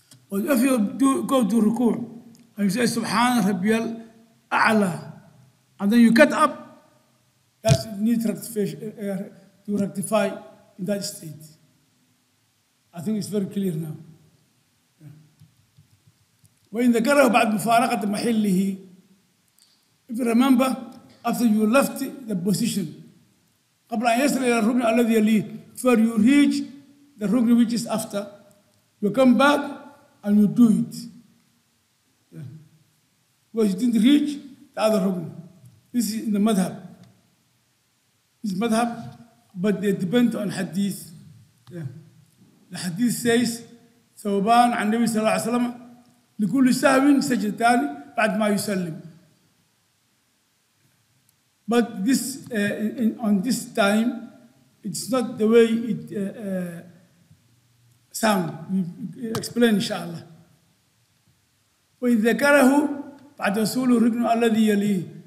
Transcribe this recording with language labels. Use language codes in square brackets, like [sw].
[en] But if you go to ruku' and you say [ar] Subhan Rabbiyal A'la, [en] and then you cut up, that's you need to rectify in that state. I think it's very clear now. [ar] وإن ذكره بعد مفارقة محله. [en] If you remember, after you left the position, [ar] قبل أن يصل إلى الركن الذي يليه, [en] before you reach the ركن which is after, you come back and you do it. Yeah. Because you didn't reach the other ركن. This is in the madhab. This is madhab, but they depend on hadith. Yeah. The hadith says, [ar] ثوبان عن النبي صلى الله عليه وسلم لكل سهو سجدتان بعد ما يسلم. [en] But this on this time, it's not the way it sound. We explain inshallah. [ar] وإن ذكره بعد رسول الركن الذي يليه.